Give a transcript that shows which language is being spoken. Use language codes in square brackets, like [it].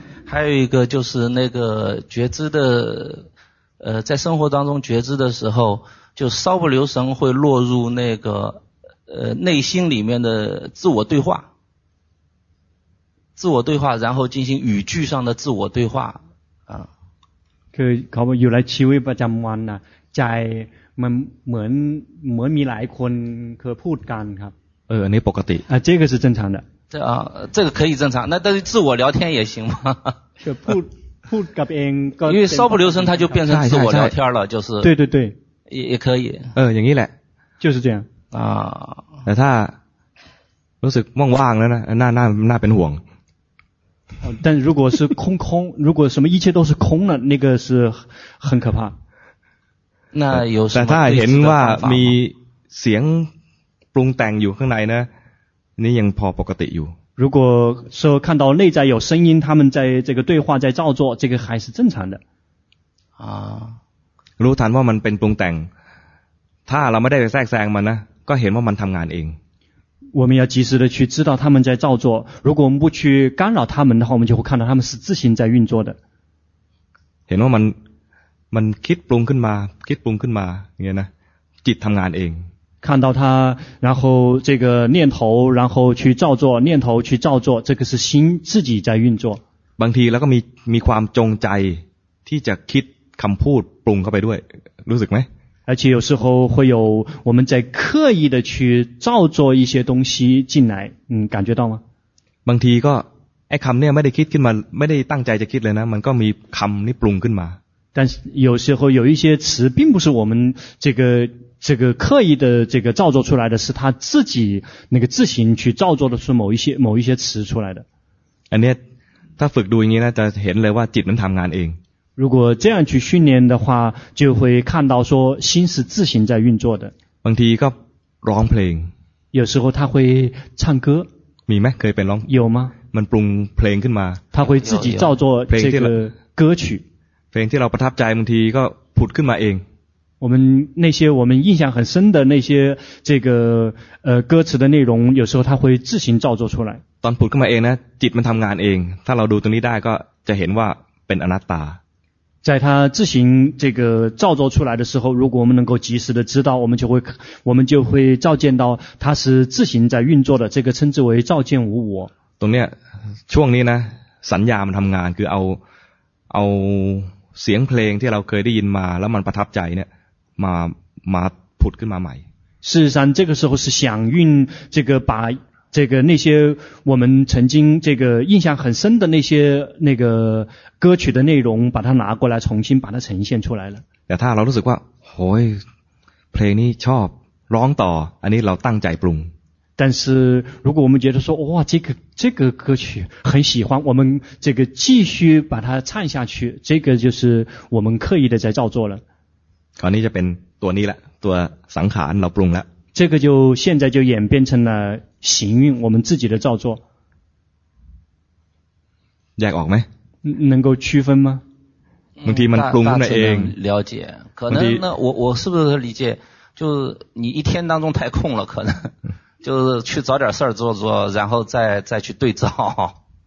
[zh] 还有一个就是那个觉知的在生活当中觉知的时候就稍不留神会落入那个内心里面的自我对话自我对话然后进行语句上的自我对话 [th] คือเขาอยู่ในชีวิตประจำวันนะใจมันเหมือนมีหลายคนเคยพูดกันครับ เออนี่ปกติ [zh] 这个是正常的这啊这个可以正常那但是自我聊天也行吗 [th] พูดกับเองก็ [zh] 因为稍不留神他就变成自我聊天了就是对对对也可以 [th] เอออย่างนี้แหละ [zh] 就是这样 [th] แต่ถ้ารู้สึกว่างๆแล้วนะน่าเป็นห่วง [zh] 但如果是空空如果什么一切都是空了那个是很可怕那有什么 [th] แต่ถ้าเห็นว่ามีเสียงปรุงแต่งอยู่ข้างในนะนี่ยังพอปกติอยู่ [zh] 如果说看到内在有声音他们在这个对话在照做这个还是正常的 [th] รู้ทันว่ามันเป็นปรุงแต่งถ้าเราไม่ได้ไปแทรกแซงมันนะก็เห็นว่ามันทำงานเอง [zh] 我们要及时的去知道他们在造作如果我们不去干扰他们的话我们就会看到他们是自行在运作的 [th] เห็นว่ามันคิดปรุงขึ้นมาคิดปรุงขึ้นมาเงี้ยนะจิตทำงานเอง [zh] 看到他然后这个念头然后去造作念头去造作这个是心自己在运作 [th] บางทีแล้วก็มีความจงใจที่จะคิดคำพูดปรุงเข้าไปด้วยรู้สึกไหม [zh] 而且有时候会有我们在刻意的去造作一些东西进来，感觉到吗？ [th] บางทีก็ไอ้คำเนี่ยไม่ได้คิดขึ้นมาไม่ได้ตั้งใจจะคิดเลยนะมันก็มีคำนี่ปรุงขึ้นมา [zh] 但是有时候有一些词并不是我们这个刻意的这个造作出来的是他自己那个自行去造作的是某一些词出来的 [th] อันนี้ถ้าฝึกดูอย่างนี้นะจะเห็นเลยว่าจิตมันทำงานเอง รู้ว่าจะอย่างที่ [zh] 训练的话就会看到说心是自行在运作的 [th] บางทีก็ร้องเพลง [zh] 有时候他会唱歌 [th] มีไหมเคยไปร้อง [zh] 有吗 [th] มันปรุงเพลงขึ้นมา [zh] 他会自己造作这个歌曲 [th] เพลงที่เราประทับใจบางทีก็ผุดขึ้นมาเอง [zh] 我们那些我们印象很深的那些这个歌词的内容有时候他会自行造作出来 [th] ตอนผุดขึ้นมาเองนะจิตมันทำงานเองถ้าเราดูตรงนี้ได้ก็จะเห็นว่าเป็นอนัตตา [zh] 在他自行这个造作出来的时候如果我们能够及时的知道我们就会照见到他是自行在运作的这个称之为照见无我 [th] ตรงเนี้ยช่วงนี้นะสัญญามันทำงานคือเอาเสียงเพลงที่เราเคยได้ยินมาแล้วมันประทับใจเนี่ยมาผุดขึ้นมาใหม่ [zh] 事实上这个时候是想运这个把这个那些我们曾经这个印象很深的那些那个歌曲的内容把它拿过来重新把它呈现出来了 [th] แต่ถ้าเรารู้สึกว่าโอ้ยเพลงนี้ชอบร้องต่ออันนี้เราตั้งใจปรุง [zh] 但是如果我们觉得说哇这个歌曲很喜欢我们这个继续把它唱下去这个就是我们刻意的在造作了 [th] คราวนี้จะเป็นตัวนี้ละตัวสังขารเราปรุงละ [zh] 这个就现在就演变成了行运我们自己的造作 [th] แยกออกไหม [zh] 能够区分吗 [th] บางทีมันปรุงขึ้นมาเอง [zh] 了解可能那我是不是理解就是你一天当中太空了可能就是去找点事儿做做然后再去对照